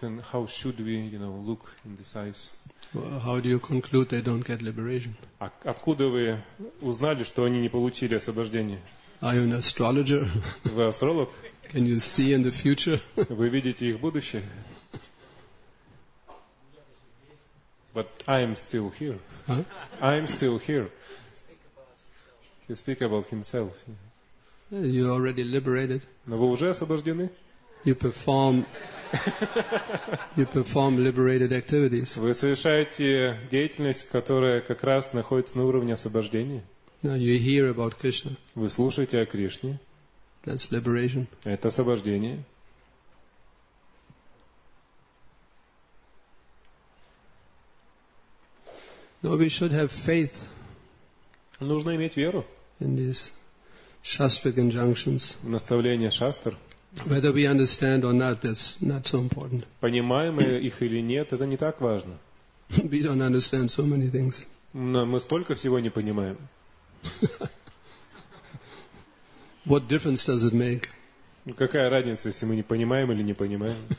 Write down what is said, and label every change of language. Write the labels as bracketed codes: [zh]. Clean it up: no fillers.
[en] How should we, you know, look in this eyes? Well, how do you conclude they don't get liberation? [ru] Откуда вы узнали, что они не получили освобождение? [en] Are you an astrologer? [ru] Вы астролог? [en] Can you see in the future? [ru] Вы видите их будущее? [en] But I am still here. Huh? I am still here. He speak about himself. You already liberated. [ru] Но вы уже освобождены? [en] You perform liberated activities. [ru] Вы совершаете деятельность, которая как раз находится на уровне освобождения. [en] Now you hear about Krishna. [ru] Вы слушаете о Кришне. [en] That's liberation. [ru] Это освобождение. [en] No, we should have faith. [ru] Нужно иметь веру. [en] In these shastric injunctions. [ru] В наставления шастр. [en] Whether we understand or not, that's not so important. [ru] Понимаем мы их или нет, это не так важно. [en] We don't understand so many things. [ru] Но мы столько всего не понимаем. [en] What difference does it make? [ru] Какая разница, если мы не понимаем или не понимаем?